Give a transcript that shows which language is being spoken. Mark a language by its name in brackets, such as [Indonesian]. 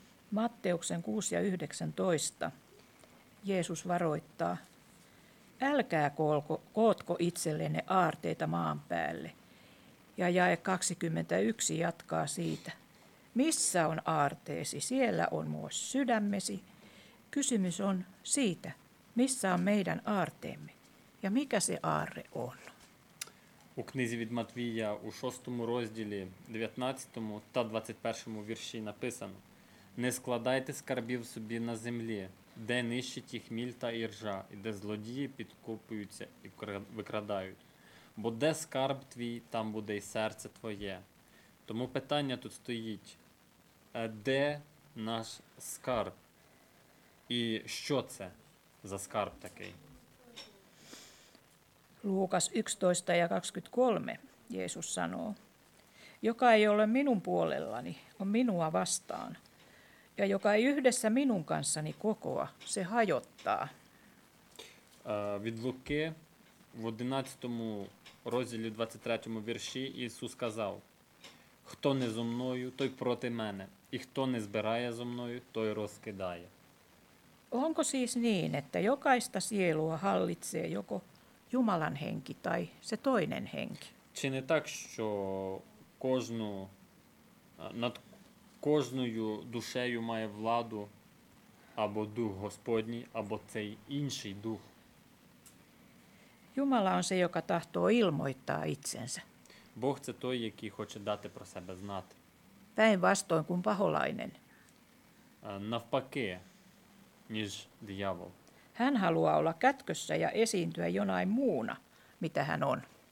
[Finnish] Matteuksen 6:19 Jeesus varoittaa: älkää kootko itsellenne aarteita maan päälle. Ja jae 21 jatkaa siitä: missä on aarteesi, siellä on myös sydämesi. Kysymys on siitä, missä on meidän aarteemme ja mikä se aarre on. [Ukrainian] У книзі від Матвія у 6 розділі, 19 та 21 вірші написано: не складайте скарбів собі на землі, де нищить їх міль та іржа, і де злодії підкопуються і викрадають. Бо де скарб твій, там буде й серце твоє. Тому питання тут стоїть: де наш скарб. І що це за скарб такий? [Finnish] Luukas 11 ja 23 Jeesus sanoo, joka ei ole minun puolellani, on minua vastaan, ja joka ei yhdessä minun kanssani kokoa, se hajottaa. [Ukrainian] Від Луки в 11 розділі 23 вірші Ісус сказав, хто не зо мною, той проти мене, і хто не збирає зо мною, той розкидає. [Finnish] Onko siis niin, että jokaista sielua hallitsee joko Jumalan henki tai se toinen henki? [Ukrainian] Чи не так, що кожну над кожною душею має владу або дух Господній, або цей інший дух? [Finnish] Jumala on se, joka tahtoo ilmoittaa itsensä. [Ukrainian] Бог це той, який хоче дати про себе знати. [Finnish] Päinvastoin kuin paholainen. [Ukrainian] Навпаки, ніж диявол. [Finnish] Hän haluaa olla kätkössä ja esiintyä jonain muuna, mitä hän on.